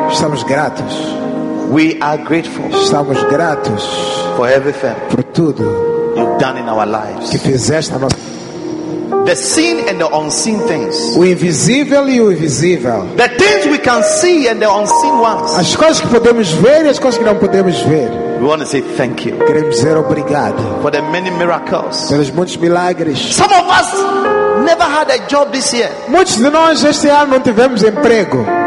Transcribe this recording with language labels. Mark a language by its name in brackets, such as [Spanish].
[Portuguese] Estamos gratos. [English] We are grateful. [Portuguese] Estamos gratos. [English] For everything. [Portuguese] Por tudo. [English] You've done in our lives. [Portuguese] Que fizeste na nossa. [English] The seen and the unseen things. [Portuguese] O invisível e o visível. [English] The things we can see and the unseen ones. [Portuguese] As coisas que podemos ver e as coisas que não podemos ver. [English] We want to say thank you. [Portuguese] Queremos dizer obrigado. [English] For the many miracles. [Portuguese] Pelos muitos milagres. [English] Some of us never had a job this year. [Portuguese] Muitos de nós este ano não tivemos emprego.